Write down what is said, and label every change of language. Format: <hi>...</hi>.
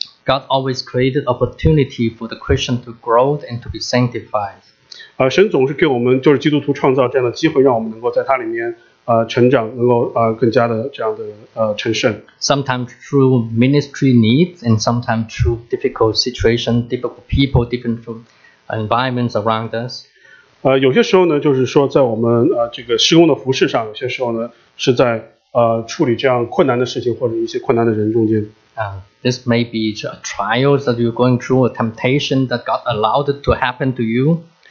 <en>God always created opportunity for the Christian to grow and to be sanctified.</en> <zh>神总是给我们就是基督徒创造这样的机会，让我们能够在它里面成长，能够更加的这样的成圣。</zh> <en>Sometimes through ministry needs, and sometimes through difficult situation, difficult people, different from environments around us.</en> <zh>有些时候呢，就是说在我们这个施工的服事上，有些时候呢是在处理这样困难的事情或者一些困难的人中间。</zh> <en>This may be a trial that you're going through, a temptation that God allowed it to happen to you.</en>